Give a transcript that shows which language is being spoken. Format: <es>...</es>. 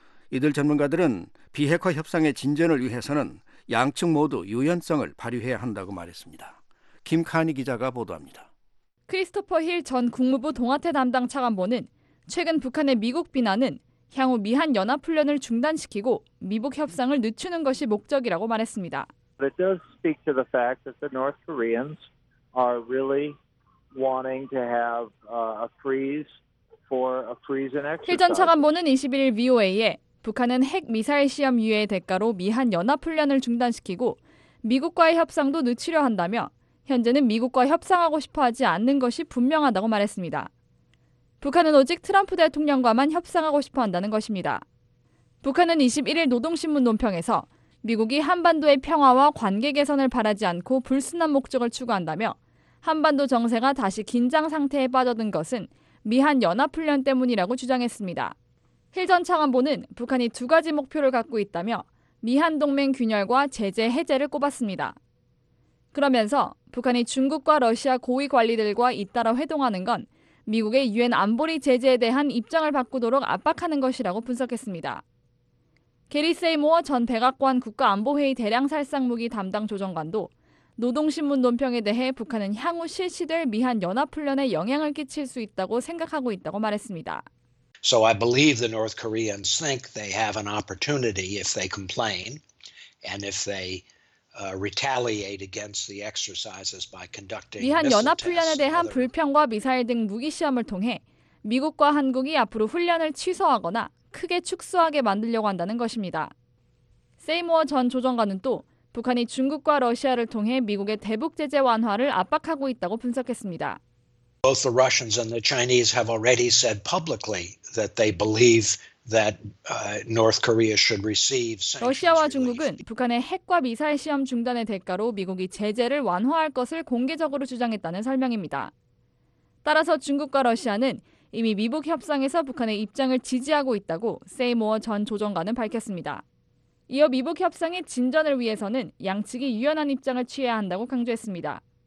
<ko>이들 전문가들은 비핵화 협상의 진전을 위해서는 양측 모두 유연성을 발휘해야 한다고 말했습니다. 김카니 기자가 보도합니다. 크리스토퍼 힐 전 국무부 동아태 담당 차관보는 최근 북한의 미국 비난은 향후 미한 연합훈련을 중단시키고 미북 협상을 늦추는 것이 목적이라고 말했습니다.</ko> <en>But it does speak to the fact that the North Koreans are really wanting to have a freeze for a freeze in exercise.</en> <ko>힐 전 차관보는 21일 VOA에 북한은 핵 미사일 시험 이후의 대가로 미한 연합 훈련을 중단시키고 미국과의 협상도 늦추려 한다며 현재는 미국과 협상하고 싶어하지 않는 것이 분명하다고 말했습니다. 북한은 오직 트럼프 대통령과만 협상하고 싶어한다는 것입니다. 북한은 21일 노동신문 논평에서 미국이 한반도의 평화와 관계 개선을 바라지 않고 불순한 목적을 추구한다며 한반도 정세가 다시 긴장 상태에 빠져든 것은 미한 연합훈련 때문이라고 주장했습니다. 힐 전 차관보는 북한이 두 가지 목표를 갖고 있다며 미한 동맹 균열과 제재 해제를 꼽았습니다. 그러면서 북한이 중국과 러시아 고위 관리들과 잇따라 회동하는 건 미국의 유엔 안보리 제재에 대한 입장을 바꾸도록 압박하는 것이라고 분석했습니다. 게리 세이모어 전 백악관 국가안보회의 대량살상무기 담당 조정관도 노동신문 논평에 대해 북한은 향후 실시될 미한 연합훈련에 영향을 끼칠 수 있다고 생각하고 있다고 말했습니다.</ko> <en>So I believe the North Koreans think they have an opportunity if they complain and if they retaliate against the exercises by conducting</en> <ko>미한 연합훈련에 대한 불평과 미사일 등 무기시험을 통해 미국과 한국이 앞으로 훈련을 취소하거나 크게 축소하게 만들려고 한다는 것입니다. 세이모어 전 조정관은 또 북한이 중국과 러시아를 통해 미국의 대북 제재 완화를 압박하고 있다고 분석했습니다.</ko> <en>Both the Russians and the Chinese have already said publicly that they believe that North Korea should receive sanctions.</en> <ko>러시아와 중국은 북한의 핵과 미사일 시험 중단의 대가로 미국이 제재를 완화할 것을 공개적으로 주장했다는 설명입니다. 따라서 중국과 러시아는 이미 미북 협상에서 북한의 입장을 지지하고 있다고 세이모어 전 조정관은 밝혔습니다. 이어 미북 협상의 진전을 위해서는 양측이 유연한 입장을 취해야 한다고 강조했습니다.</ko>